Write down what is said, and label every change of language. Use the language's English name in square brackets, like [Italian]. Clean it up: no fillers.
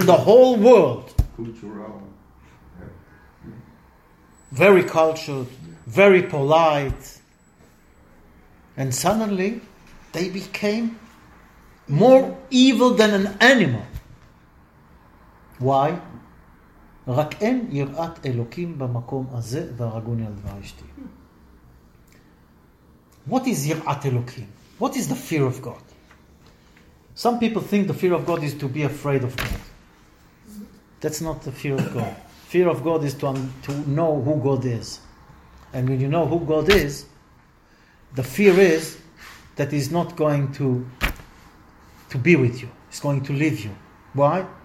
[English] In the whole world. Cultural. Very cultured, very polite. And suddenly, they became more evil than an animal. Why? [Hebrew] רק אין יראת אלוקים במקום הזה והרגוני על דבר אשתי. [English] What is יראת אלוקים? What is the fear of God? Some people think the fear of God is to be afraid of God. That's not the fear of God. Fear of God is to know who God is. And when you know who God is, the fear is that He's not going to be with you. He's going to leave you. Why?